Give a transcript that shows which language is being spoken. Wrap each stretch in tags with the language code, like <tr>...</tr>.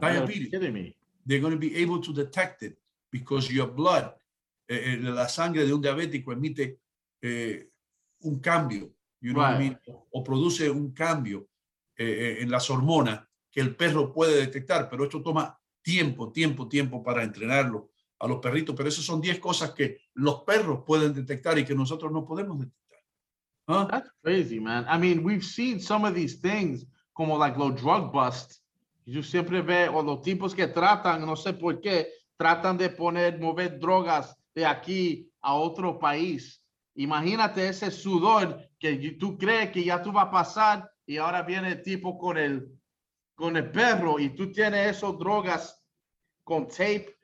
<en>Diabetes. They're going to be able to detect it because your blood,</en> <es>la sangre de un diabético emite un cambio.</es> <en>You know what I mean?</en> <es>O produce un cambio en las hormonas que el perro puede detectar. Pero esto toma tiempo para entrenarlo a los perritos. Pero esas son 10 cosas que los perros pueden detectar y que nosotros no podemos detectar.</es> <en>Huh? That's crazy, man. I mean, we've seen some of these things.</en> <es>Como like los drug busts, yo siempre veo los tipos que tratan, no sé por qué, tratan de mover drogas de aquí a otro país. Imagínate ese sudor que tú crees que ya tú vas a pasar y ahora viene el tipo con el perro y tú tienes esas drogas con tape.</es>